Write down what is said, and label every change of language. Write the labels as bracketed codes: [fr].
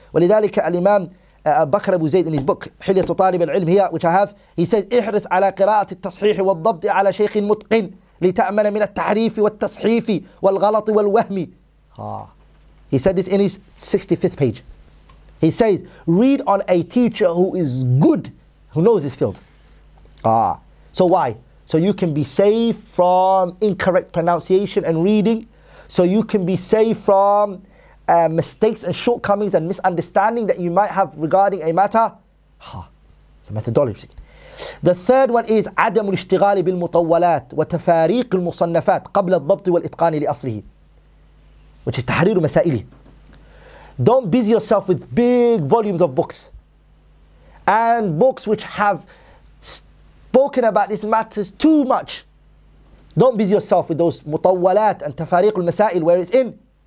[ar] ولذلك الإمام بكر أبو زيد [en] in his book, [ar] حلية طالب العلم [en] here, which I have, he says, [ar] احرص على قراءة التصحيح والضبط على شيخ متقن لتأمن من التحريف والتصحيف والغلط والوهم. [en] He said this in his 65th page. He says, read on a teacher who is good, who knows this field. So why? So you can be safe from incorrect pronunciation and reading. So you can be safe from mistakes and shortcomings and misunderstanding that you might have regarding a matter. It's a methodology. The third one is [ar] عدم الاشتغال بالمطولات وتفاريق المصنفات قبل الضبط والإتقان لأصله. [en] Which is [ar] تحرير مسائله. [en] Don't busy yourself with big volumes of books. and books which have spoken about these matters too much. Don't busy yourself with those mutawwalat and tafariq al-masail where it's in.